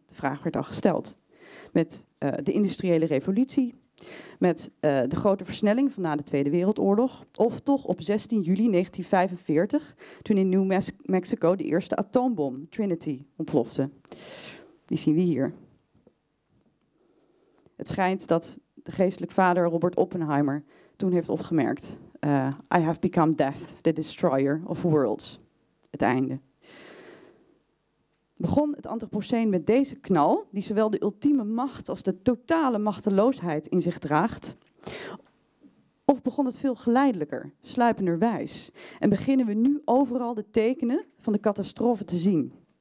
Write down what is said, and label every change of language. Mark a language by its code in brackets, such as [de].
[nl] De vraag werd al gesteld. Met de industriële revolutie, met de grote versnelling van na de Tweede Wereldoorlog, of toch op 16 juli 1945, toen in New Mexico de eerste atoombom, Trinity, ontplofte. Die zien we hier. Het schijnt dat de geestelijk vader Robert Oppenheimer toen heeft opgemerkt. [en] I have become death, the destroyer of worlds. [nl] Het einde. Begon het antropoceen met deze knal, die zowel de ultieme macht als de totale machteloosheid in zich draagt? Of begon het veel geleidelijker, sluipenderwijs? En beginnen we nu overal de tekenen van de catastrofe te zien?